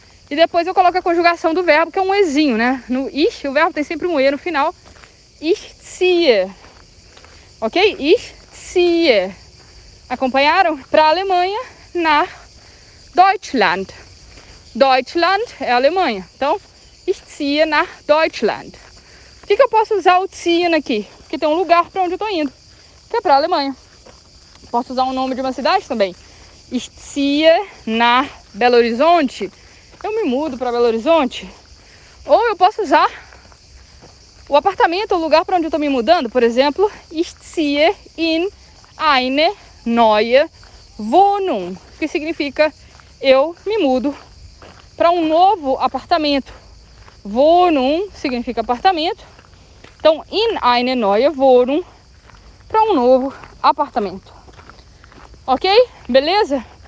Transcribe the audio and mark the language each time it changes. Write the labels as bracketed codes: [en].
[pt] E depois eu coloco a conjugação do verbo, que é um Ezinho, né? No ich, o verbo tem sempre um E no final. [de] Ich ziehe. Ok? Ich ziehe. [pt] Acompanharam? Para a Alemanha, na Deutschland. Deutschland é a Alemanha. Então, [de] ich ziehe nach Deutschland. [pt] O que, que eu posso usar o ziehen aqui? Porque tem um lugar para onde eu estou indo, que é para a Alemanha. Posso usar o nome de uma cidade também. [de] Ich ziehe nach Belo Horizonte. [pt] Eu me mudo para Belo Horizonte. Ou eu posso usar o apartamento, o lugar para onde eu estou me mudando. Por exemplo, [de] ich ziehe in eine neue Wohnung. [pt] Que significa eu me mudo para um novo apartamento. Wohnung significa apartamento. Então, [de] in eine neue Wohnung, [pt] para um novo apartamento. Ok? Beleza?